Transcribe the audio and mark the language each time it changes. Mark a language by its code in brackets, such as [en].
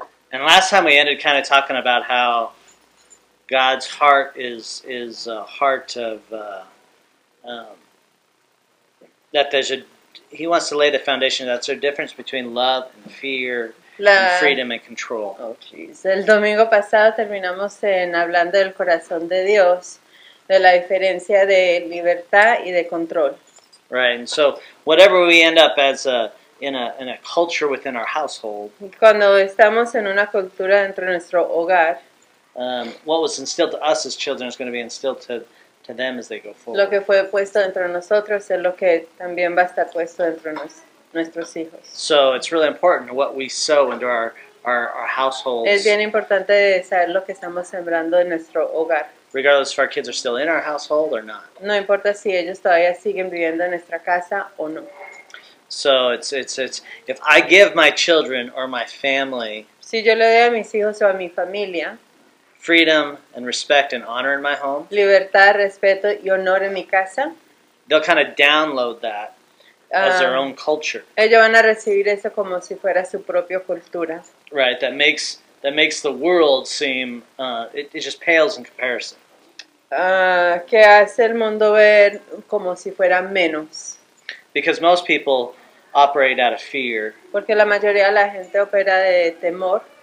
[en] And last time we ended kind of talking about how God's heart is a heart of that there's a He wants to lay the foundation. That's the difference between love and fear, and freedom and control. Oh, jeez. [es] El domingo pasado terminamos en hablando del corazón de Dios, de la diferencia de libertad y de control. [en] Right. And so, whatever we end up as a in a culture within our household. [es] Cuando estamos en una cultura dentro de nuestro hogar. [en] What was instilled to us as children is going to be instilled to them as they go forward. [es] Lo que fue puesto dentro de nosotros es lo que también va a estar puesto dentro de nuestros hijos. [en] So it's really important what we sow into our households. [es] Es bien importante saber lo que estamos sembrando en nuestro hogar. [en] Regardless if our kids are still in our household or not. [es] No importa si ellos todavía siguen viviendo en nuestra casa o no. [en] So it's if I give my children or my family. [es] Si yo le doy a mis hijos o a mi familia. [en] Freedom and respect and honor in my home. [es] Libertad, respeto y honor en mi casa. [en] They'll kind of download that as their own culture. [es] Ellos van a recibir eso como si fuera su propia cultura. [en] Right, that makes the world seem it just pales in comparison. [es] Que hace el mundo ver como si fuera menos. [en] Because most people operate out of fear. [es] Porque la mayoría de la gente opera de temor.